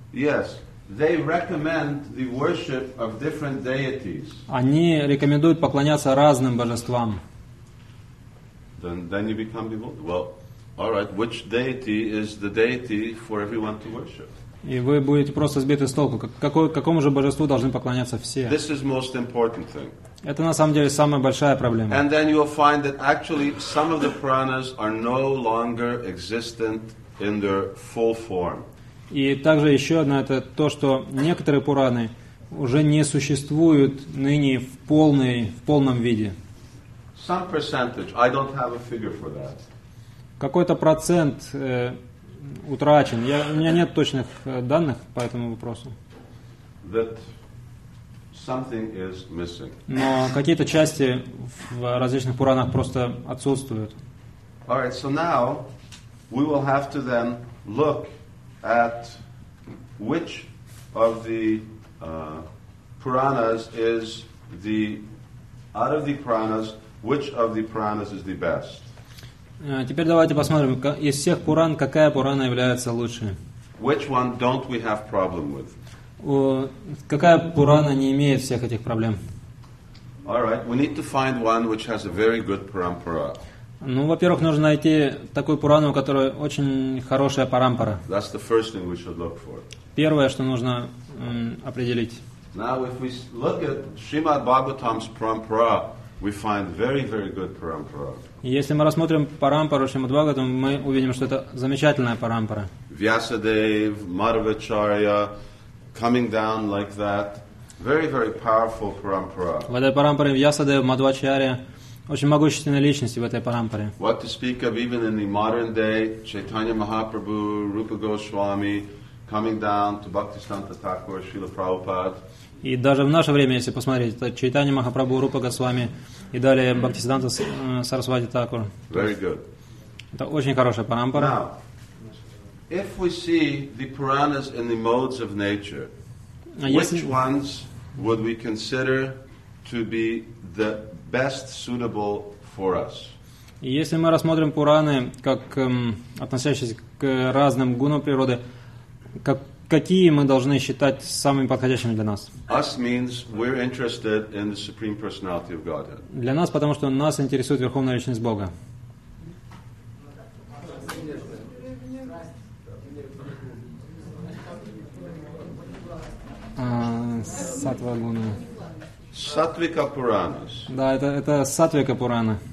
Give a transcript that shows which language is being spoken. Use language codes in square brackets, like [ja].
[en] Yes, they recommend the worship of different deities. [ru] Они рекомендуют поклоняться разным божествам. [en] Then you become devoted. Well, all right, which deity is the deity for everyone to worship? [ru] И вы будете просто сбиты с толку. Какому же божеству должны поклоняться все? [en] This is most important thing. [ru] Это на самом деле самая большая проблема. [en] And then you will find that actually some of the Puranas are no longer existent in their full form. [ru] И также еще одно, это то, что некоторые Пураны уже не существуют ныне в полном виде. [en] Some percentage, I don't have a figure for that. [ru] Какой-то процент утрачен. У меня нет точных данных по этому вопросу. [en] That something is missing. [ru] Но какие-то части в различных Пуранах просто отсутствуют. [en] All right, so now we will have to then look at which of the Puranas is the out of the Puranas, which of the Puranas is the best. [ru] Теперь давайте посмотрим, из всех Пуран, какая Пурана является лучшей. [en] Which one don't we have problem with? [ru] Какая Пурана не имеет всех этих проблем? [en] All right, we need to find one which has a very good parampara. [ru] Ну, во-первых, нужно найти такую Пурану, у которой очень хорошая парампара. [en] That's the first thing we should look for. [ru] Первое, что нужно определить. [en] Now, if we look at Srimad Bhagavatam's parampara, we find very, very good parampara. [ru] Если мы рассмотрим парампару Шримад Бхагаватам, мы увидим, что это замечательная парампара. [en] Vyasadev, Madhvacharya, coming down like that, very, very powerful parampara. [ru] В этой парампаре Vyasadev, Madhvacharya, очень могущественные личности в этой парампаре. [en] What to speak of even in the modern day, Chaitanya Mahaprabhu, Rupa Goswami, coming down to Bhaktisiddhanta Thakur, Srila Prabhupada. [ru] И даже в наше время, если посмотреть, это Чайтанья Махапрабху, Рупа Госвами и далее Бхактисиддханта Сарасвати Такур. [en] Very good. [ru] Это очень хорошая парампара. [en] Now, if we see the Puranas in the modes of nature, which ones would we consider to be the best suitable for us? [ru] Если мы рассмотрим Пураны как относящиеся к разным гунам природы, как какие мы должны считать самыми подходящими для нас? [en] Us means we're interested in the Supreme Personality of Godhead. [ru] Для нас, потому что нас интересует Верховная Личность Бога. Сатвагуна. Сатвика Пуранас. Да, это Сатвика Пурана.